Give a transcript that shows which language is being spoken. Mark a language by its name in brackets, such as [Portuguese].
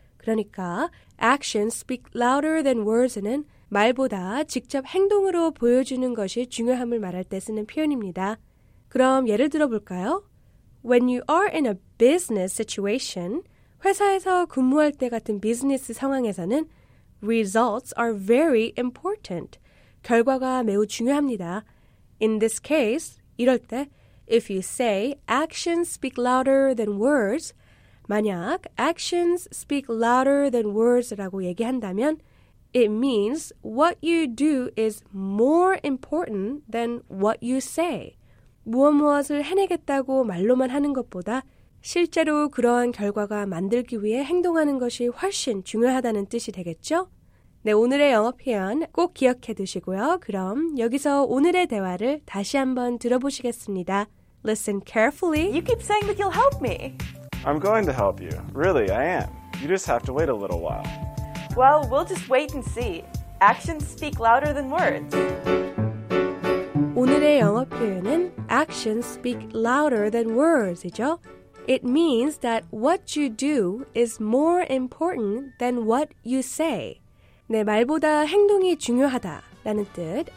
[Korean] 그러니까 [English] actions speak louder than words [Korean] 는 말보다 직접 행동으로 보여주는 것이 중요함을 말할 때 쓰는 표현입니다. 그럼 예를 들어볼까요? [English] When you are in a business situation, [Korean] 회사에서 근무할 때 같은 비즈니스 상황에서는 [English] results are very important. [Korean] 결과가 매우 중요합니다. [English] In this case, [Korean] 이럴 때 [English] If you say actions speak louder than words, [Korean] 만약 [English] actions speak louder than words라고 [Korean] 얘기한다면, [English] it means what you do is more important than what you say. [Korean] 무엇무엇을 해내겠다고 말로만 하는 것보다 실제로 그러한 결과가 만들기 위해 행동하는 것이 훨씬 중요하다는 뜻이 되겠죠? 네, 오늘의 영어 표현 꼭 기억해 두시고요. 그럼 여기서 오늘의 대화를 다시 한번 들어보시겠습니다. [English] Listen carefully. You keep saying that you'll help me. I'm going to help you. Really, I am. You just have to wait a little while. Well, we'll just wait and see. Actions speak louder than words. [Korean] 오늘의 영어 표현은 [English] actions speak louder than words [Korean] 이죠. [English] It means that what you do is more important than what you say. [Korean] 네, 말보다 행동이 중요하다라는 뜻.